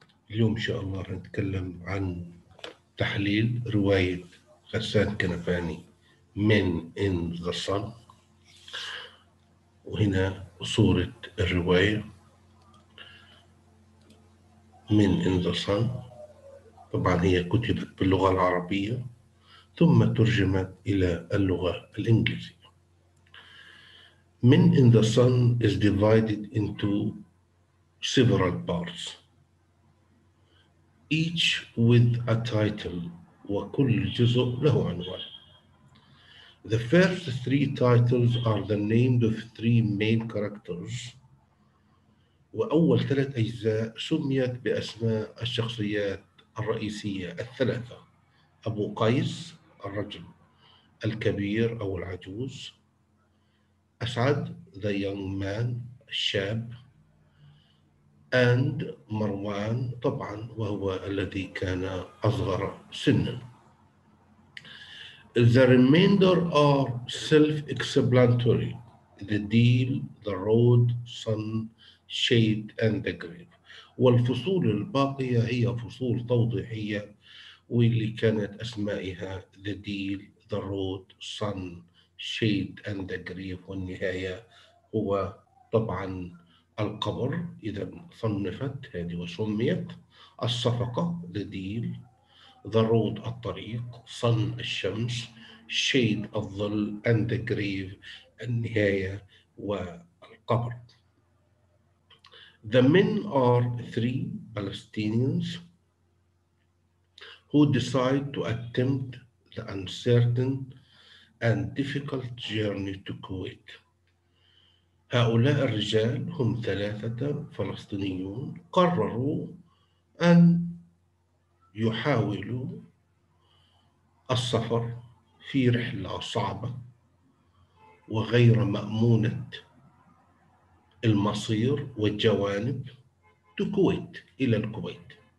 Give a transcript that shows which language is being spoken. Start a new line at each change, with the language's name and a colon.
Arabic: اليوم إن شاء الله نتكلم عن تحليل رواية غسان كنفاني من إن غسان، وهنا صورة الرواية من إن غسان. طبعا هي كتبت باللغة العربية ثم ترجمت إلى اللغة الإنجليزية.
English: Men in the Sun is divided into several parts, each with a title.
Arabic: وكل جزء له عنوان.
English: The first three titles are the names of three main characters.
Arabic: وأول ثلاث أجزاء سميت بأسماء الشخصيات الرئيسية الثلاثة: أبو قيس الرجل الكبير أو العجوز، أسعد
English: the young man
Arabic: الشاب،
English: and
Arabic: مروان طبعا وهو الذي كان أصغر سنا.
English: The remainder are self-explanatory. The deal, the road, sun, shade, and the grave.
Arabic: والفصول الباقية هي فصول توضيحية، واللي كانت أسمائها
English: the deal, the road, sun, shade and the grave.
Arabic: والنهاية هو طبعا القبر، إذا صنفت هذه وسميت الصفقة
English: the deal، the road
Arabic: الطريق، sun الشمس، shade الظل،
English: and the grave
Arabic: النهاية والقبر.
English: The men are three Palestinians who decide to attempt the uncertain and difficult journey to Kuwait.
Arabic: هؤلاء الرجال هم ثلاثة فلسطينيون قرروا أن يحاولوا السفر في رحلة صعبة وغير مأمونة المصير والجوانب
English: to Kuwait،
Arabic: إلى الكويت.